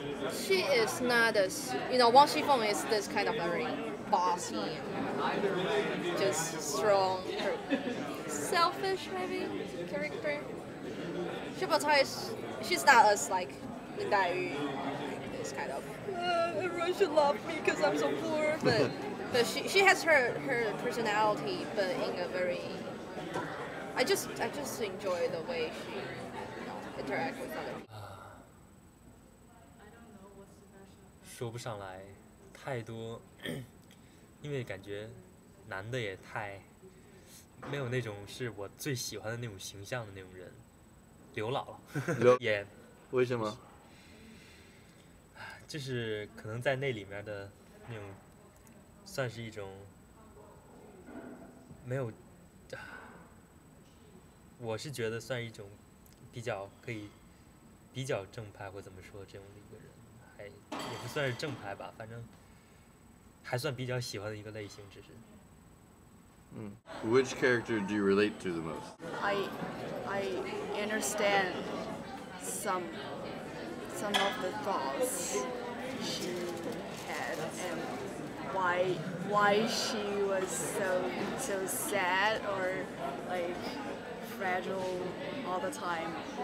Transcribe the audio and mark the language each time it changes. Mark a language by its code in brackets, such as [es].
[en] She is not as, you know, Wang Xifeng is this kind of very bossy, just strong, selfish maybe character. Shi Bao Chai, she's not as like Lin Daiyu, like it's kind of, everyone should love me because I'm so poor. But she has her personality, but in a very... I just enjoy the way she, you know, interacts with other people. [zh] 说不上来太多，因为感觉男的也太没有那种是我最喜欢的那种形象的那种人，刘姥姥，刘也，为什么？就是可能在那里面的那种，算是一种没有，我是觉得算一种比较可以比较正派或怎么说这种的一个人。也不算是正牌吧，反正还算比较喜欢的一个类型，只是。 [en] Which character do you relate to the most? I understand some of the thoughts she had and why she was so sad or like fragile all the time.